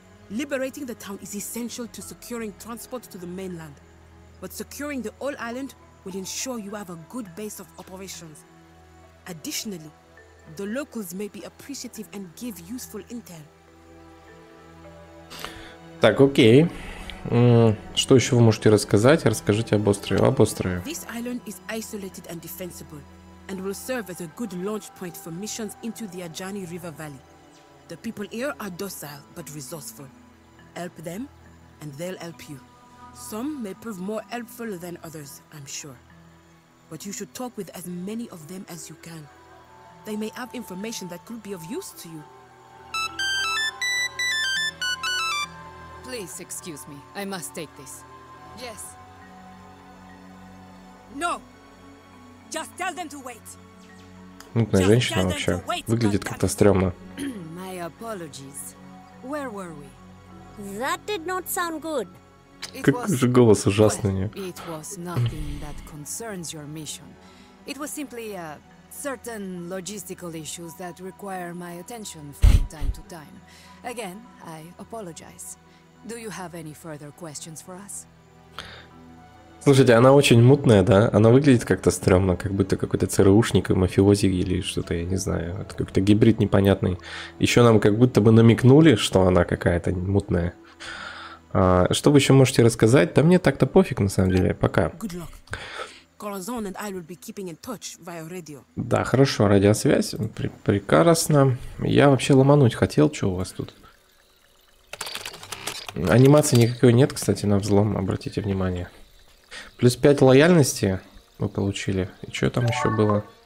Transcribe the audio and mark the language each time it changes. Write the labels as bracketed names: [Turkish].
[English] Liberating the town is essential to securing transport to the mainland. But securing the whole island will ensure you have a good base of operations. Additionally, The locals may be appreciative and give useful intel. [Russian] Так, окей. Что еще вы можете рассказать? Расскажите об острове. Об острове. [English] This island is isolated and defensible, and will serve as a good launch point for missions into the Ajani River Valley. The people here are docile but resourceful. Help them, and they'll help you. Some may prove more helpful than others, I'm sure. But you should talk with as many of them as you can. They may have information that could be of use to you. Please excuse me. I must take this. Yes. No! Just tell them to wait. [Russian] Мутная женщина вообще. Выглядит как-то стрёмно. [English] My apologies. Where were we? That did not sound good. [Russian] Как же голос ужасный у неё. [English] It was nothing that concerns your mission. It was simply certain logistical issues that require my attention from time to time. Again, I apologize. Do you have any further questions for us? [Russian] Слушайте, она очень мутная, да? Она выглядит как-то стрёмно, как будто какой-то ЦРУшник, мафиози или что-то, я не знаю. Это какой-то гибрид непонятный. Еще нам как будто бы намекнули, что она какая-то мутная. А, что вы еще можете рассказать? Да мне так-то пофиг, на самом деле. Пока. [English] Corazon and I will be keeping in touch via radio. [Russian] Да, хорошо, радиосвязь. Прекрасно. Я вообще ломануть хотел, что у вас тут? Анимации никакой нет, кстати, на взлом, обратите внимание. Плюс 5 лояльности вы получили. И что там еще было?